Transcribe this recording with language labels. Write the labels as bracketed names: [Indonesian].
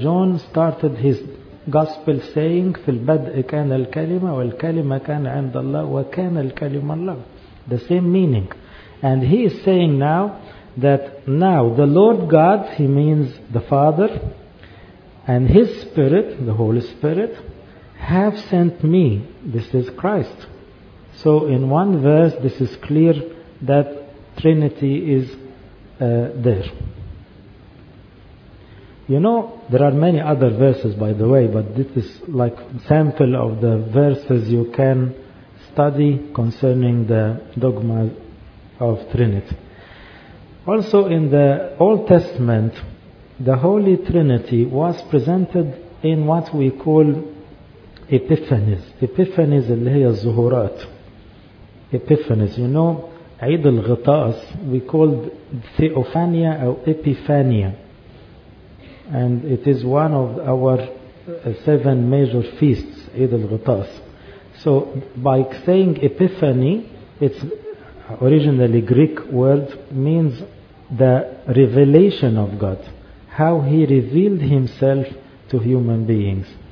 [English] John started his gospel saying, [Arabic] في البدء كان الكلمة والكلمة كان عند الله وكان الكلمة الله. [English] The same meaning. And he is saying now that now the Lord God, he means the Father, and His Spirit, the Holy Spirit, have sent me. This is Christ. So in one verse, this is clear that Trinity is there. You know, there are many other verses, by the way, but this is like sample of the verses you can study concerning the dogma of Trinity. Also, in the Old Testament, the Holy Trinity was presented in what we call Epiphanies. [Arabic] Epiphanies, اللي هي الظهورات. [English] Epiphanies, you know, عيد الغطاس, we called Theophania or Epiphania. And it is one of our seven major feasts, عيد الغطاس. So, by saying Epiphany, it's originally Greek word, means the revelation of God, how He revealed Himself to human beings.